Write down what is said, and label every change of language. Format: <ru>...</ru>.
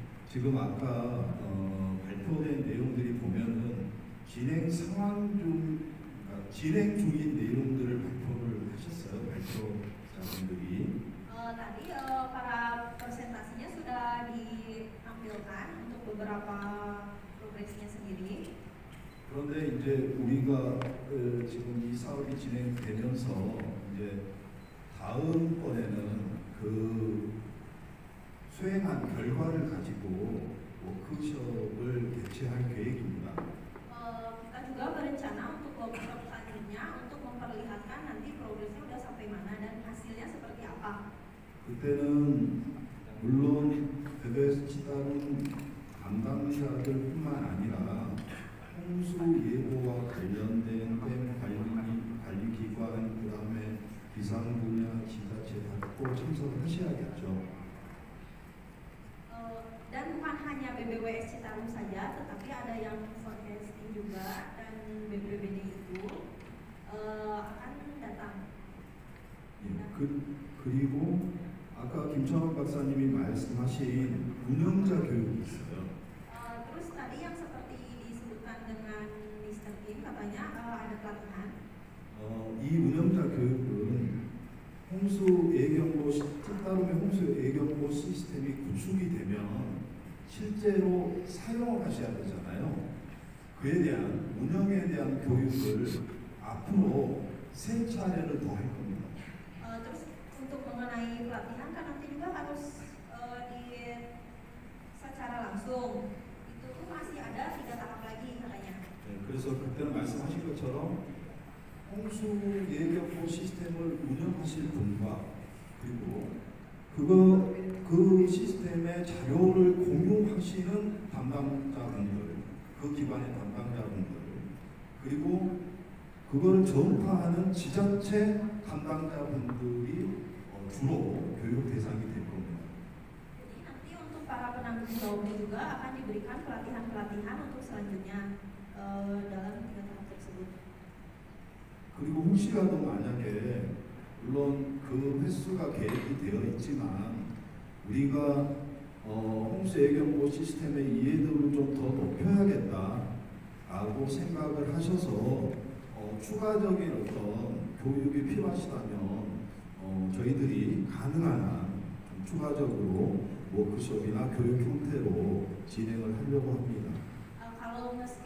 <ko>지금 아까 발표된 내용들이 보면은 진행 상황 중 진행 중인 내용들을 발표를 하셨어요. 발표자분들이.</ko> <id>다리 para presentasinya sudah diambilkan untuk beberapa progresnya sendiri.</id> <ko>그런데 이제 우리가 지금 이 사업이 진행되면서 이제 다음번에는 그 수행한 결과를 가지고 워크숍을 개최할 계획입니다.</ko> <id>Kita juga berencana untuk workshop selanjutnya untuk memperlihatkan nanti progresnya sudah sampai mana dan hasilnya seperti apa.</id> <ko>그때는 물론 베베웨세 찌따룸 담당자들뿐만 아니라 홍수 예보와 관련된 댐 관리 기관 그다음에 비상 분야 지자체가 꼭 참석하셔야겠죠.</ko> <id>Dan bukan hanya BBWS Citarum saja, tetapi ada yang forecasting juga dan BBBD itu akan datang.</id> <ko>Ya, 그리고 아까 김천원 박사님이 말씀하신 운영자 교육이 있어요.</ko> <id>Terus tadi yang seperti disebutkan dengan Mr. Kim katanya ada pelatihan.</id> <ko>이 운영자 교육은 홍수 예경보 시타룸의 홍수 예경보 시스템이 구축이 되면 실제로 사용을 하셔야 되잖아요. 그에 대한 운영에 대한 교육을 앞으로 세 차례를 더 할 겁니다.</ko> <id>Terus untuk mengenai pelatihan kan nanti juga harus di secara langsung. Itu tuh masih ada 3 tahap lagi katanya.</id> <ko>네, 그래서 그때 말씀하신 것처럼 홍수 예경보 시스템을 운영하실 분과 그리고 그 시스템의 자료를 공유하시는 담당자분들, 그 기관의 담당자분들, 그리고 그걸 전파하는 지자체 담당자분들이 주로 교육 대상이 될 겁니다. 그리고</ko> <id>nanti untuk para penanggung jawabnya juga akan diberikan pelatihan-pelatihan untuk selanjutnya dalam 3 tahap tersebut.</id> <ko>그리고 혹시라도 만약에 물론 그 횟수가 계획이 되어 있지만 우리가 홍수 예경보 시스템의 이해도를 좀 더 높여야겠다라고 생각을 하셔서 추가적인 어떤 교육이 필요하시다면 저희들이 가능한 한 추가적으로 워크숍이나 교육 형태로 진행을 하려고 합니다.</ko>